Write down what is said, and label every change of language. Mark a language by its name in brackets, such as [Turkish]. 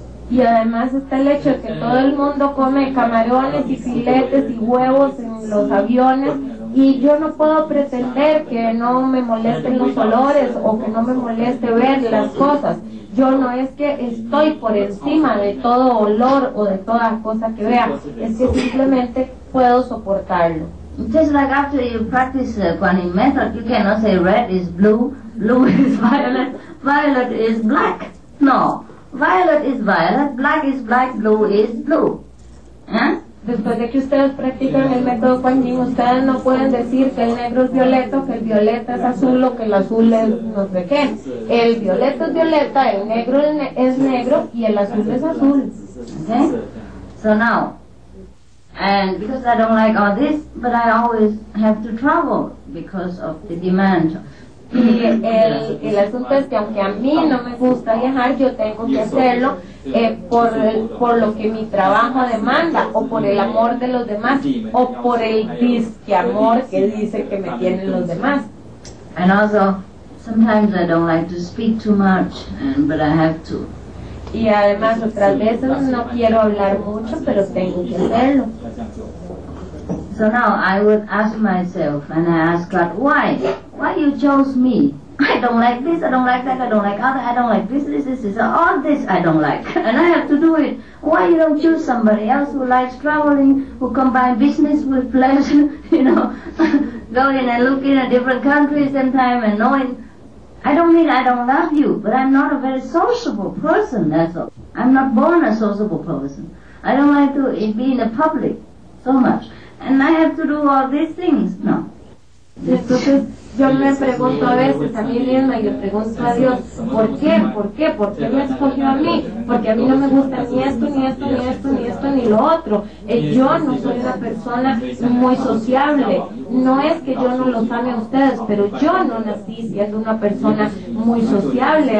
[Spanish] Y además está el hecho de que todo el mundo come camarones y filetes y huevos en los aviones, y yo no puedo pretender que no me molesten los olores o que no me moleste ver las cosas. Yo no es que estoy por encima de todo olor o de toda cosa que vea, es que simplemente puedo soportarlo. [English] Just like after you practice the Kuan Yin method, you cannot say red is blue, blue is violet, violet is black. No, violet is violet, black is black, blue is blue. Huh? [Spanish] Después de que ustedes practican el método Quan Yin, ustedes no pueden decir que el negro es violeta, que el violeta es azul o que el azul es no sé qué. El violeta es violeta, el negro es negro y el azul es azul. [English] Okay? So now, and because I don't like all this, but I always have to travel because of the demand. [Spanish] Y el asunto es que aunque a mí no me gusta viajar, yo tengo que hacerlo por lo que mi trabajo demanda, o por el amor de los demás, o por el disque amor que dice que me tienen los demás. [English] And also, sometimes I don't like to speak too much, but I have to. [Spanish] Y además, otras veces no quiero hablar mucho, pero tengo que hacerlo. [English] So now I would ask myself, and I ask God, why? Why you chose me? I don't like this, I don't like that, I don't like other, I don't like this, all this I don't like, and I have to do it. Why you don't choose somebody else who likes traveling, who combine business with pleasure, you know, going and looking at different countries and time and knowing. I don't mean I don't love you, but I'm not a very sociable person, that's all. I'm not born a sociable person. I don't like to be in the public so much. And I have to do all these things, no. [Spanish] Entonces, yo me pregunto a veces a mí misma y le pregunto a Dios, ¿por qué? ¿Por qué me escogió a mí? Porque a mí no me gusta ni esto, ni lo otro. Yo no soy una persona muy sociable. No es que yo no lo sabe a ustedes, pero yo no nací siendo una persona muy sociable.